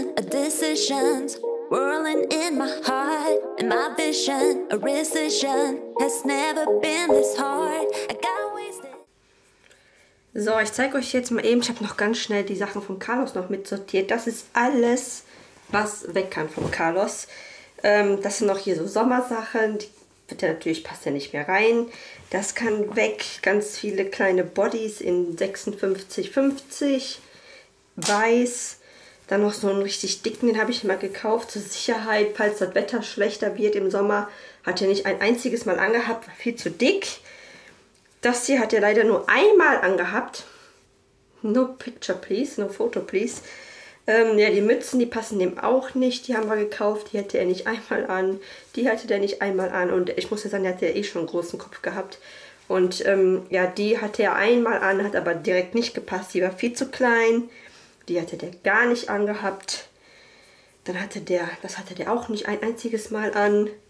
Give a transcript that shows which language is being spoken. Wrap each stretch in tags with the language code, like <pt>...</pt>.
<en>Decisions whirling in my heart, and my vision, a recession has never been this hard. I got wasted.</en> <de>So, ich zeige euch jetzt mal eben. Ich habe noch ganz schnell die Sachen von Carlos noch mitsortiert. Das ist alles, was weg kann von Carlos. Das sind noch hier so Sommersachen. Die wird ja natürlich, passt ja nicht mehr rein. Das kann weg. Ganz viele kleine Bodies in 56-50. Weiß. Dann noch so einen richtig dicken, den habe ich mal gekauft, zur Sicherheit, falls das Wetter schlechter wird im Sommer. Hat er nicht ein einziges Mal angehabt, war viel zu dick. Das hier hat er leider nur einmal angehabt.</de> <en>No picture please, no photo please.</en> <de>Ja, die Mützen, die passen dem auch nicht, die haben wir gekauft, die hatte er nicht einmal an. Die hatte der nicht einmal an und ich muss ja sagen, der hat ja eh schon einen großen Kopf gehabt. Und ja, die hatte er einmal an, hat aber direkt nicht gepasst, die war viel zu klein. Die hatte der gar nicht angehabt. Dann hatte der, das hatte der auch nicht ein einziges Mal an.</de>